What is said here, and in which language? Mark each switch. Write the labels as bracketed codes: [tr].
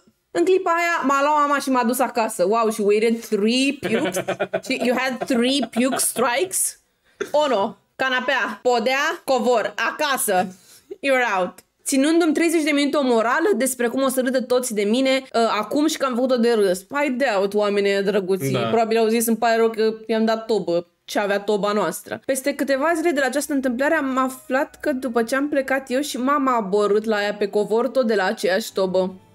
[ro] În clipa aia, m-a luat mama și m-a dus acasă. [en] Wow, she waited 3 pukes. She, you had 3 puke strikes? Oh, no. [ro] Canapea, podea, covor, acasă. [en] You're out. [ro] Ținându-mi 30 de minute o morală despre cum o să râdă toți de mine acum și că am făcut-o de râs. [en] I doubt, [ro] oamenii drăguții. Da. Probabil au zis, îmi pare rău că i-am dat tobă. Ce avea toba noastră. Peste câteva zile de la această întâmplare am aflat că după ce am plecat eu și mama a borât la ea pe covor tot de la aceeași tobă.